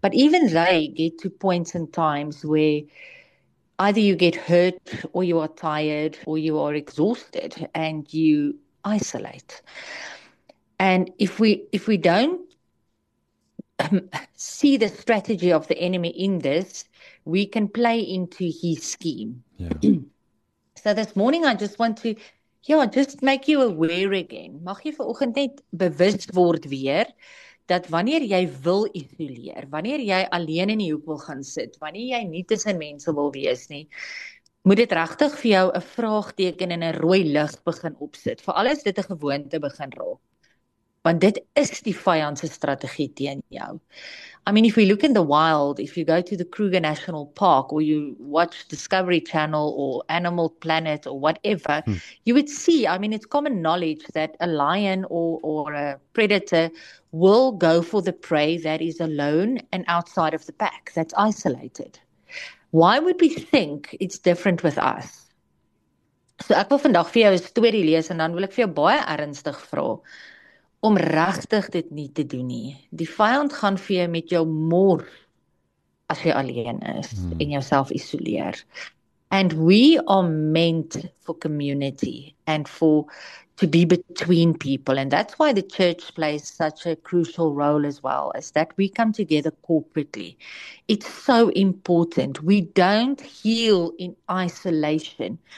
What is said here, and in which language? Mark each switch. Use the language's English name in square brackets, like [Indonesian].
[English] But even they get to points and times where either you get hurt or you are tired or you are exhausted and you isolate. And if we don't see the strategy of the enemy in this, we can play into his scheme. Yeah. So this morning I just want to just make you aware again. [Afrikaans] Mag jy vanoggend net bewus word weer dat wanneer jy wil isoleer, wanneer jy alleen in die hoek wil gaan sit, wanneer jy nie tussen mense wil wees nie, moet dit regtig vir jou 'n vraagteken en 'n rooi lig begin opsit. Veral as dit 'n gewoonte begin raak. Want dit is die vyand se strategie teen jou. [English] I mean, if we look in the wild, if you go to the Kruger National Park or you watch Discovery Channel or Animal Planet or whatever, you would see, I mean, it's common knowledge that a lion or a predator will go for the prey that is alone and outside of the pack, that's isolated. Why would we think it's different with us? [Afrikaans] So ek wil vandag vir jou 'n storie lees en dan wil ek vir jou baie ernstig vra om regtig dit nie te doen nie. Die vyand gaan vir jou met jou mor as jy alleen is en jouself isoleer. [English] And we are meant for community and for to be between people. And that's why the church plays such a crucial role as well, is that we come together corporately. It's so important. We don't heal in isolation.